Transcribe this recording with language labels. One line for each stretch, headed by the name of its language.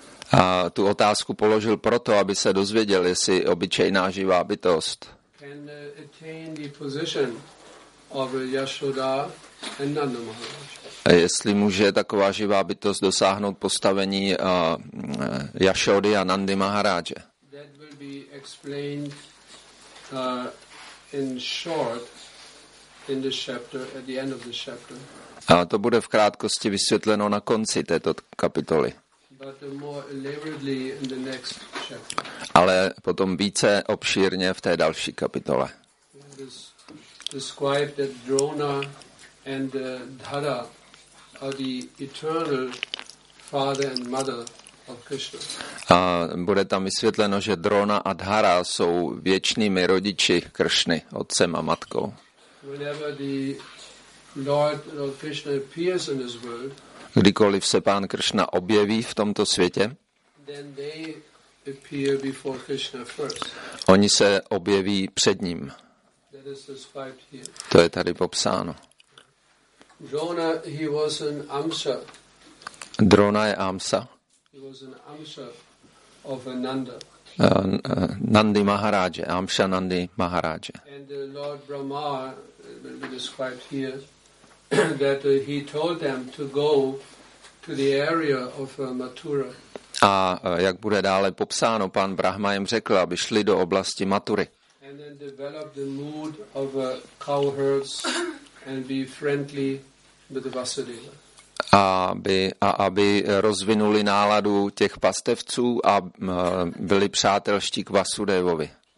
Czech: A tu otázku položil proto, aby se dozvěděl, jestli obyčejná živá bytost
English: can attain the position of Yashoda and Nanda Maharaj.
Czech: Jestli může taková živá bytost dosáhnout postavení Yashody a Nandy Maharaje.
English: That will be explained in short in the chapter, at the end of the chapter.
Czech: A to bude v krátkosti vysvětleno na konci této kapitoly.
English: But more elaborately in the next chapter.
Czech: Ale potom více obšírně v té další kapitole.
English: Describe that Drona and Dhara are the eternal father and mother of Krishna.
Czech: A bude tam vysvětleno, že Drona a Dhara jsou věčnými rodiči Kršny, otcem a matkou.
English: Whenever the Lord Krishna appears in this world,
Czech: kdykoliv se pán Kršna objeví v tomto světě,
English: then they appear before Krishna first.
Czech: Oni se objeví před ním.
English: That is described here.
Czech: To je tady popsáno.
English: Drona, he was an amsa.
Czech: Drona je amsa.
English: He was an amsa of Ananda. Nandi Maharaja, Amsha Nandi Maharaja. And Lord Brahma will be described here that he told them to go to the area of Mathura.
Czech: A jak bude dále popsáno, pan Brahma jim řekl, aby šli do oblasti Mathury.
English: And then develop the mood of cowherds and be friendly with Vasudeva.
Czech: Aby rozvinuli náladu těch pastevců a byli přátelští k Vasudevovi.